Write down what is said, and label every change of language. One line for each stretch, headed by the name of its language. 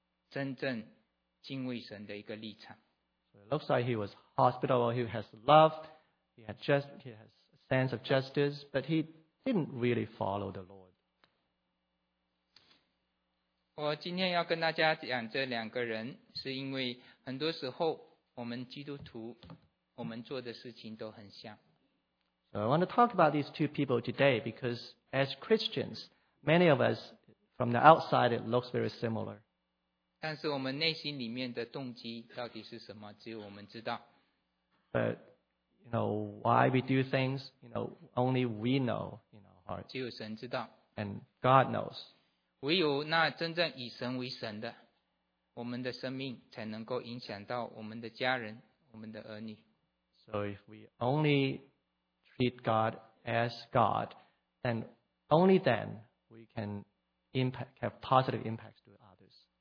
Chinese: 真正敬畏神的一个立场。
English: So it looks like he was hospitable, he has love, he has a sense of justice, but he didn't really follow the Lord.
Chinese: 我今天要跟大家讲这两个人，是因为很多时候我们基督徒，我们做的事情都很像。
English: So I want to talk about these two people today because as Christians, many of us, from the outside, it looks very similar.
Chinese: 但是我们内心里面的动机到底是什么，只有我们知道。
English: But, you know, why we do things, you know, only we know in our heart.
Chinese: 只有神知道。
English: And God knows.
Chinese: 唯有那真正以神为神的，我们的生命才能够影响到我们的家人，我们的儿女。
English: So if we only treat God as God, then only then we can impact, have positive impacts to others.